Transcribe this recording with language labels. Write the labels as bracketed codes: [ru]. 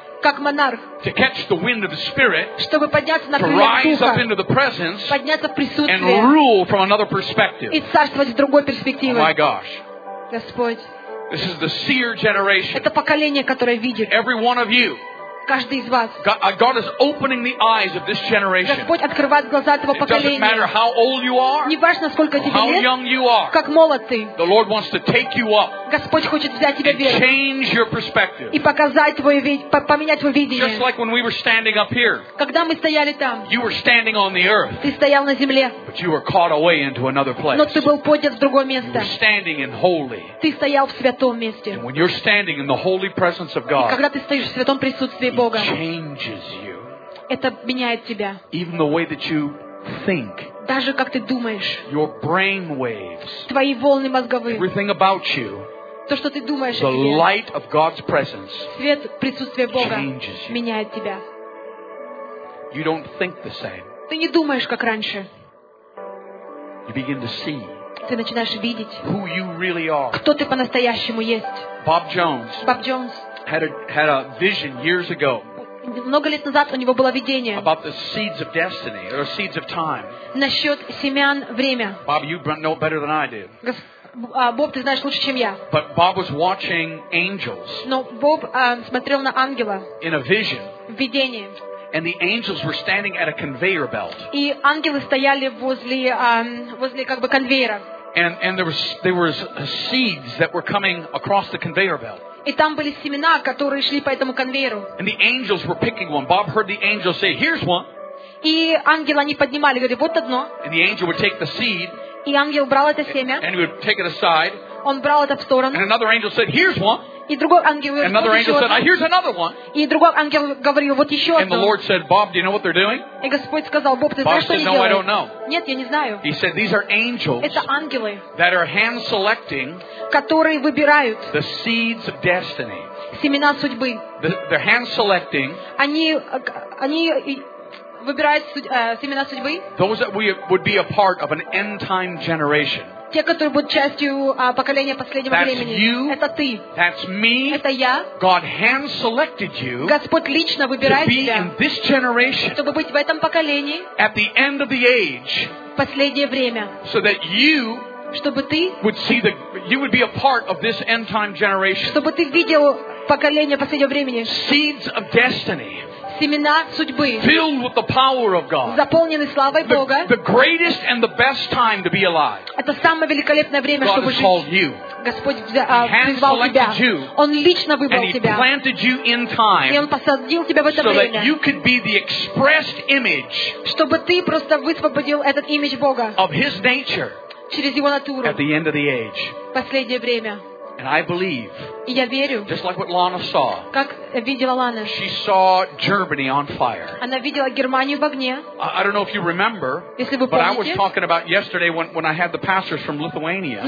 [ru] Как монарх. [en] To catch the wind of the spirit. [ru] Чтобы подняться на крылья духа. [en] To rise up into the presence. [ru] Подняться в присутствие. [en] And rule from another perspective. [ru] И царствовать с другой перспективы. [en] Oh my gosh. [ru] Господь. [en] This is the seer generation. [ru] Это поколение, которое видит. [en] Every one of you. [ru] Каждый из вас. [en] God is opening the eyes of this generation. [ru] Господь открывает глаза этого поколения. [en] It doesn't matter how old you are. [ru] Не важно, сколько тебе лет. [en] How young you are. [ru] Как молод ты. [en] The Lord wants to take you up. [ru] Господь хочет взять тебя вверх. [en] And change your perspective. [ru] И показать твое поменять твое видение. [en] Just like when we were standing up here. [ru] Когда мы стояли там. [en] You were standing on the earth. [ru] Ты стоял на земле. [en] But you were caught away into another place. [ru] Но ты был поднят в другое место. [en] You were standing in holy. [ru] Ты стоял в святом месте. [en] And when you're standing in the holy presence of God. [ru] И когда ты стоишь в святом присутствии Бога. [en] It changes you. [ru] Это меняет тебя. [en] Even the way that you think. [ru] Даже как ты думаешь. [en] Your brain waves. [ru] Твои волны мозговые. [en] Everything about you. [ru] То, что ты думаешь [en] the [ru] о тебе. [en] The light of God's presence. [ru] Свет присутствия Бога [en] changes you. [ru] Меняет тебя. [en] You don't think the same. [ru] Ты не думаешь как раньше. [en] You begin to see. [ru] Ты начинаешь видеть. [en] Who you really are. [ru] Кто ты по-настоящему есть. [en] Bob Jones. Bob Jones. Had a vision years ago. [ru] Много лет назад у него было видение. [en] About the seeds of destiny or seeds of time. [ru] Насчет семян время. [en] Bob, you know better than I do. [ru] Боб, ты знаешь лучше, чем я. [en] But Bob was watching angels. [ru] Но Боб смотрел на ангела. [en] In a vision. [ru] В видении. [en] And the angels were standing at a conveyor belt. [ru] И ангелы стояли возле возле как бы конвейера. [en] And there was seeds that were coming across the conveyor belt. [ru] И там были семена, которые шли по этому конвейеру. [en] And the angels were picking one. Bob heard the angel say, "Here's one." [ru] И ангелы они поднимали, говорили, вот одно. [en] And the angel would take the seed. [ru] И ангел брал это семя. [en] And he would take it aside. [ru] Он брал это в сторону. [en] And another angel said, "Here's one." [ru] И другой ангел говорил, [en] another angel said, "Here's another one." [ru] И другой ангел говорил, вот еще одно. [en] And the Lord said, "Bob, do you know what they're doing?" [ru] И Господь сказал, Боб, ты знаешь, что они делают? [en] No, I don't know. [ru] Нет, я не знаю. [en] He said, "These are angels." [ru] Это ангелы. [en] That are hand selecting. [ru] Которые выбирают. [en] The seeds of destiny. [ru] Семена судьбы. [en] They're hand selecting. [ru] Они выбирают семена судьбы. [en] Those that we would be a part of an end time generation. [ru] Те, которые будут частью поколения последнего времени. Это ты. Это я. [en] God hand selected you. [ru] Господь лично выбирает тебя. [en] To be in this generation. [ru] Чтобы быть в этом поколении. [en] At the end of the age. [ru] Последнее время. [en] So that you. [ru] Чтобы ты. [en] Would see the. You would be a part of this end time generation. [ru] Чтобы ты видел поколение последнего времени. [en] Seeds of destiny. [ru] Семена судьбы. [en] Filled with the power of God. [ru] Заполнены славой Бога. [en] The greatest and the best time to be alive. [ru] Это самое великолепное время, чтобы жить. [en] God called you. [ru] Господь призвал тебя. Он лично выбрал тебя. [en] And he planted you in time. [ru] И он посадил тебя в это время. [en] So that you could be the expressed image. [ru] Чтобы ты просто высвободил этот имидж Бога. [en] Of his nature. [ru] Через его натуру. [en] At the end of the age. [ru] Последнее время. [en] And I believe, [ru] и я верю, [en] just like what Lana saw, [ru] как видела Лана, [en] she saw Germany on fire. [ru] Она видела Германию в огне. [en] I don't know if you remember, [ru] если вы [en] but [ru] помните, [en] I was talking about yesterday when I had the pastors from Lithuania.